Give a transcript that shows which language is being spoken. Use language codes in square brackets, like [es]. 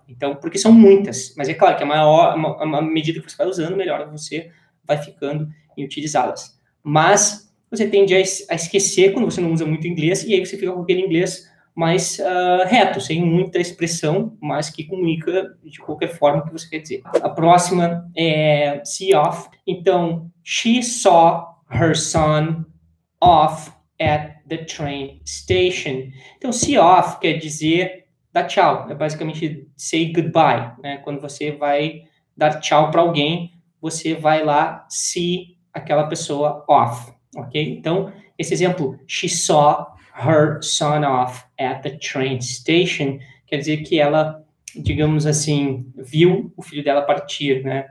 [pt] Então, porque são muitas, mas é claro que a medida que você vai usando, melhor você vai ficando em utilizá-las. Mas você tende a esquecer quando você não usa muito inglês, e aí você fica com aquele inglês mais reto, sem muita expressão, mas que comunica de qualquer forma o que você quer dizer. A próxima é see off. [en] Então, she saw her son off at the train station. [pt] Então, see off quer dizer dar tchau. É basicamente [en] say goodbye. [pt] Né? Quando você vai dar tchau para alguém, você vai lá see aquela pessoa off. Ok? Então, esse exemplo, [en] she saw her son off at the train station, [pt] quer dizer que ela, digamos assim, viu o filho dela partir, né?